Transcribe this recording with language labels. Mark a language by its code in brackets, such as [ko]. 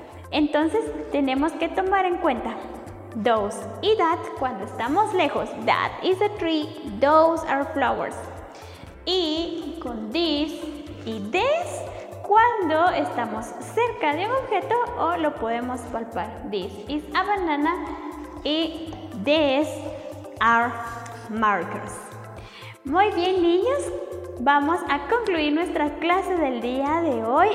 [es] Entonces, tenemos que tomar en cuenta those y that cuando estamos lejos. [en] That is a tree. Those are flowers. [es] Y con this y this cuando estamos cerca de un objeto o lo podemos palpar. [en] This is a banana [es] y [en] these are markers. [es] Muy bien, niños. Vamos a concluir nuestra clase del día de hoy.